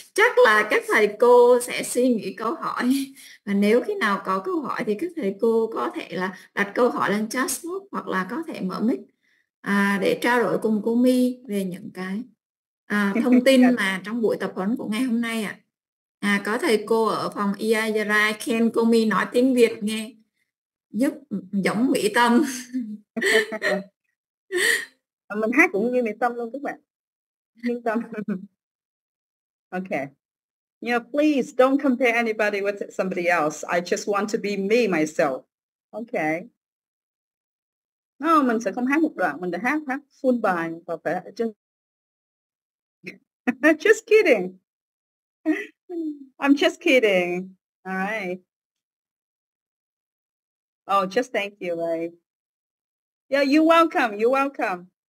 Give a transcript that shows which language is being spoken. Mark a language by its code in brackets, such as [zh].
[vi] Chắc là các thầy cô sẽ suy nghĩ câu hỏi. Và nếu khi nào có câu hỏi thì các thầy cô có thể là đặt câu hỏi lên chat box hoặc là có thể mở mic để trao đổi cùng cô My về những cái thông tin mà trong buổi tập huấn của ngày hôm nay ạ. Có thầy cô ở phòng Iyara khen cô My nói tiếng Việt nghe giúp giống Mỹ Tâm. Mình hát cũng như Mỹ Tâm luôn các bạn. Mỹ Tâm. Ok. [en] Yeah, please don't compare anybody with somebody else. I just want to be me myself. Okay. [vi] No, mình sẽ không hát một đoạn, mình đã hát full bài và phải [en] just just kidding. I'm just kidding. All right. Oh, just thank you, right? Yeah, you're welcome. You're welcome.